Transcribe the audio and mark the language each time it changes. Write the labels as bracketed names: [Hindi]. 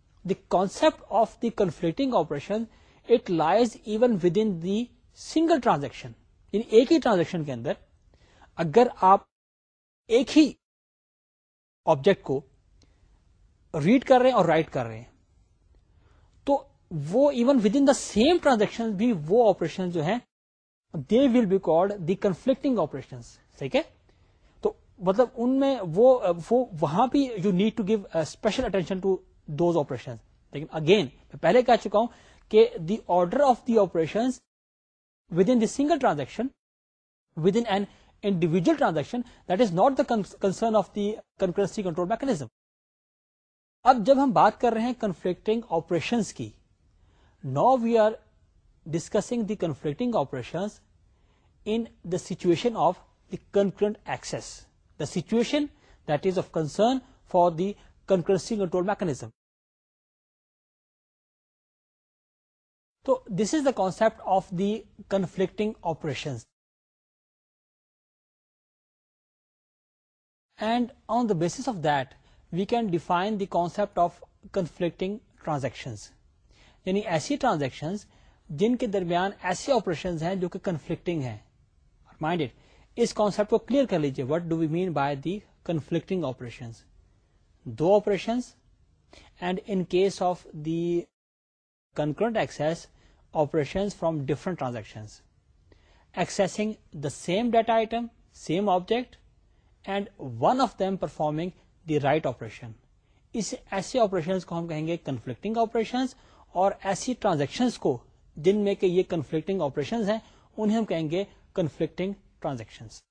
[English] the concept of the conflicting operation it lies even within the single transaction, [Urdu] یعنی ایک ہی transaction کے اندر اگر آپ ایک ہی آبجیکٹ کو ریڈ کر رہے ہیں اور رائٹ کر رہے ہیں تو وہ [English] even within the same transaction [Urdu] بھی وہ آپریشن جو ہیں [English] They will be called the conflicting operation. [Urdu] ٹھیک ہے, تو مطلب ان میں وہ وہاں بھی [English] You need to give special attention to those operation. [Urdu] لیکن اگین میں پہلے کہہ چکا ہوں کہ [English] The order of the operation within the single transaction within an individual transaction that is not the concern of the concurrency control mechanism. [Urdu] اب جب ہم بات کر رہے ہیں کنفلکٹنگ آپریشن کی, [English] Now we are discussing the conflicting operation in the situation of the concurrent access, the situation that is of concern for the concurrency control mechanism. تو this is the concept of the conflicting operation and on the basis of that we can define the concept of conflicting transaction, [Urdu] یعنی ایسی transaction جن کے درمیان ایسی operation ہیں جو کہ کنفلکٹنگ ہیں. [English] mind it, [Urdu] اس کانسپٹ کو کلیئر کر لیجیے, [English] what do we mean by the conflicting operation, دو operation and in case of the concurrent access operation from different transaction accessing the same data item same object and one of them performing the write operation, [Urdu] اس ایسے operation کو ہم کہیں گے conflicting operation, اور ایسی transaction کو جن میں کہ یہ کنفلکٹنگ آپریشن ہیں انہیں ہم کہیں گے کنفلکٹنگ ٹرانزیکشن.